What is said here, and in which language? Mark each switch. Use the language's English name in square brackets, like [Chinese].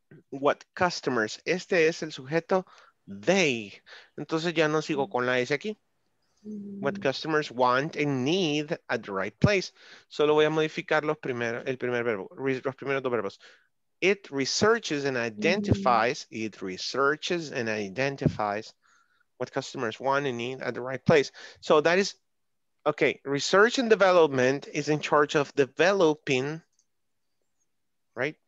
[English] What customers? [Spanish] Este es el sujeto they. Entonces ya no sigo con la S aquí. [English] What customers want and need at the right place. [Spanish] Solo voy a modificar los primeros, el primer verbo, los primeros dos verbos. [English] It researches and identifies. Mm-hmm. It researches and identifies what customers want and need at the right place. So that is, okay, research and development is in charge of developing, right?